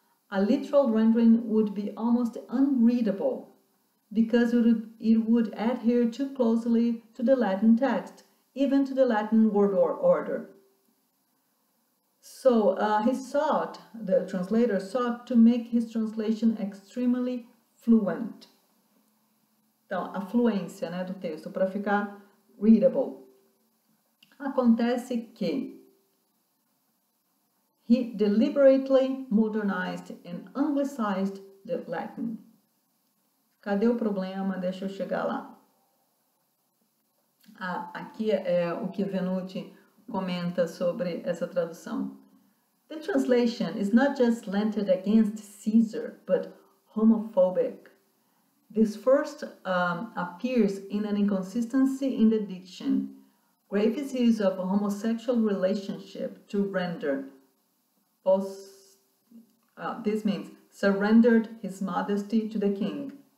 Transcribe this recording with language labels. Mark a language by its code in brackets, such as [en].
[en] A literal rendering would be almost unreadable, because it would adhere too closely to the Latin text, even to the Latin word or order. So the translator sought to make his translation extremely fluent. [pt] Então, a fluência, né, do texto, para ficar readable. Acontece que [en] he deliberately modernized and anglicized the Latin. [pt] Cadê o problema? Deixa eu chegar lá. Ah, aqui é o que Venuti comenta sobre essa tradução. [en] The translation is not just slanted against Caesar, but homophobic. This first appears in an inconsistency in the diction. Graves' use of a homosexual relationship to render this means surrendered his modesty to the king.